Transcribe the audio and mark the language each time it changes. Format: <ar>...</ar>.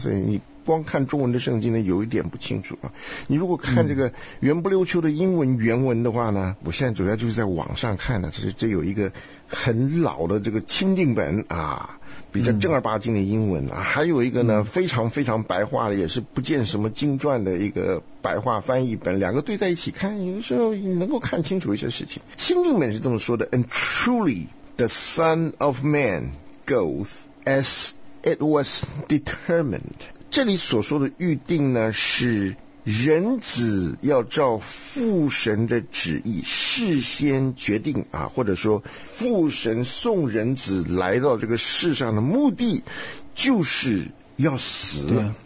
<zh>所以你光看中文的圣经呢有一点不清楚啊。你如果看这个原不溜秋的英文原文的话呢，我现在主要就是在网上看的，这有一个很老的这个钦定本啊，比较正儿八经的英文啊，还有一个呢非常非常白话的，也是不见什么经传的一个白话翻译本，两个对在一起看，有时候能够看清楚一些事情。钦定本是这么说的，</zh> <en>And truly the Son of Man goeth as it was determined。</en> <zh>这里所说的预定呢，是人子要照父神的旨意事先决定啊，或者说父神送人子来到这个世上的目的就是要死。</zh>